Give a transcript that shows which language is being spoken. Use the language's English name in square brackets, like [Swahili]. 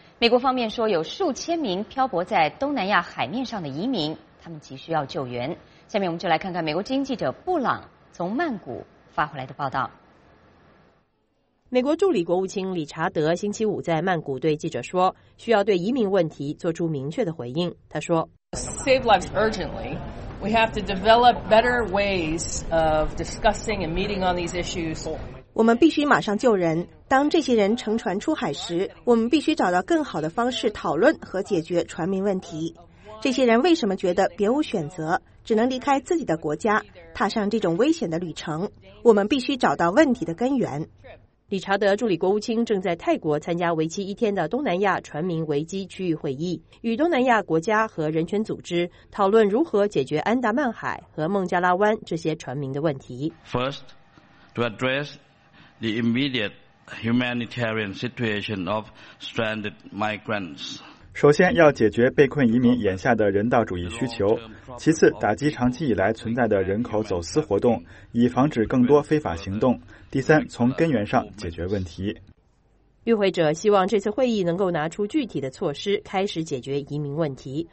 [Chinese] 美国方面说，有数千名漂泊在东南亚海面上的移民，他们急需要救援。下面我们就来看看美国之音记者布朗从曼谷发回来的报道。美国助理国务卿理查德星期五在曼谷对记者说，需要对移民问题做出明确的回应。他说， [English] Save lives urgently. We have to develop better ways of discussing and meeting on these issues. [Chinese] 我们必须马上救人。当这些人乘船出海时，我们必须找到更好的方式讨论和解决船民问题。这些人为什么觉得别无选择，只能离开自己的国家，踏上这种危险的旅程？我们必须找到问题的根源。理查德助理国务卿正在泰国参加为期一天的东南亚船民危机区域会议，与东南亚国家和人权组织讨论如何解决安达曼海和孟加拉湾这些船民的问题。 [English] First, to address the immediate humanitarian situation of stranded migrants. [Chinese] 首先要解决被困移民眼下的人道主义需求，其次打击长期以来存在的人口走私活动，以防止更多非法行动。第三，从根源上解决问题。与会者希望这次会议能够拿出具体的措施，开始解决移民问题。